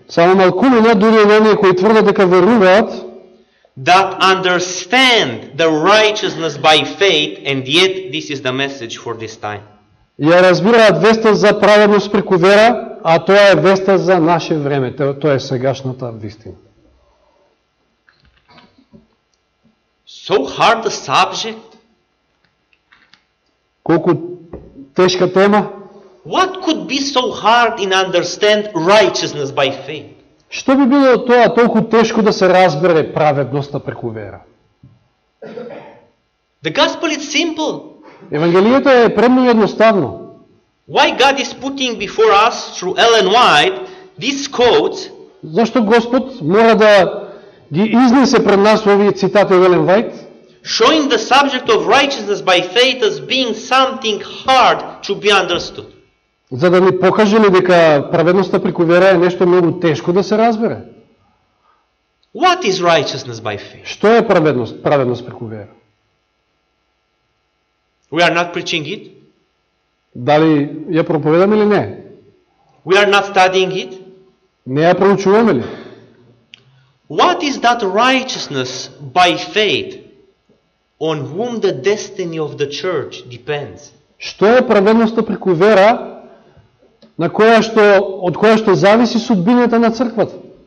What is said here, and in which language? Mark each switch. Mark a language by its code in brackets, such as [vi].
[mk] Само малкумина дури од оние кои тврдат дека веруваат. [en] That understand the righteousness by faith, and yet this is the message for this time. [mk] Ја разбираат веста за праведност преку вера, а тоа е веста за наше време, тоа е сегашната вистина. [en] So hard a subject. [mk] Колку тешка тема. [en] What could be so hard in understand righteousness by faith? [mk] Што би било тоа толку тешко да се разбере праведноста преку вера? [en] The gospel is simple. [mk] Евангелието е премногу едноставно. [en] Why God is putting before us through Ellen White these quotes? [mk] Зошто Господ мора да ги изнесе пред нас овие цитати од Елен Вајт? [en] Showing the subject of righteousness by faith as being something hard to be understood. [mk] За да ни покаже ли дека праведноста преку вера е нешто многу тешко да се разбере? [en] What is righteousness by faith? [mk] Што е праведност преку вера? [en] We are not preaching it. [mk] Дали ја проповедаме или не? [en] We are not studying it. [mk] Не ја проучуваме ли? [en] What is that righteousness by faith on whom the destiny of the church depends? [mk] Што е праведноста преку вера на која што од која што зависи судбината на црквата?